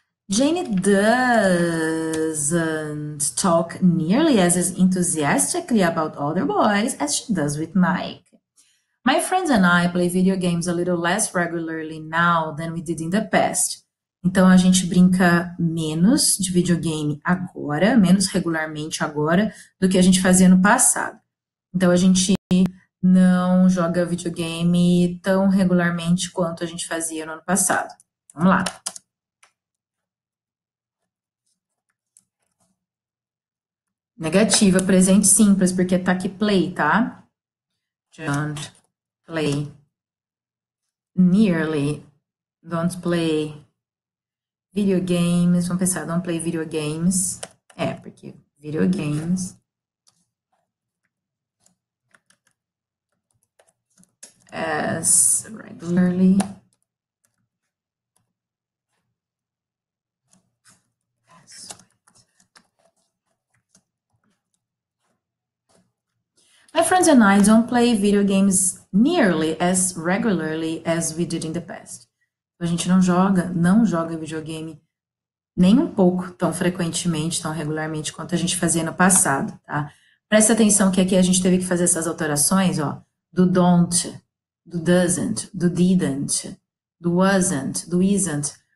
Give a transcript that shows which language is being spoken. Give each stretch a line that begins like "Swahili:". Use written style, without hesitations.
English: Jane doesn't talk nearly as enthusiastically about other boys as she does with Mike. My friends and I play video games a little less regularly now than we did in the past.
Portuguese: Então a gente brinca menos de videogame agora, menos regularmente agora, do que a gente fazia no passado. Então a gente não joga videogame tão regularmente quanto a gente fazia no ano passado. Vamos lá. Negativa, presente simples, porque tá aqui play, tá?
English: Don't play. Nearly. Don't play video games.
Portuguese: Vamos pensar,
English: don't play video games.
Portuguese: É, porque
English: video games as regularly. My friends and I don't play video games nearly as regularly as we did in the past.
Portuguese: A gente não joga videogame nem um pouco tão frequentemente, tão regularmente quanto a gente fazia no passado, tá? Presta atenção que aqui a gente teve que fazer essas alterações, ó, do don't, do doesn't, do didn't, do wasn't, do isn't,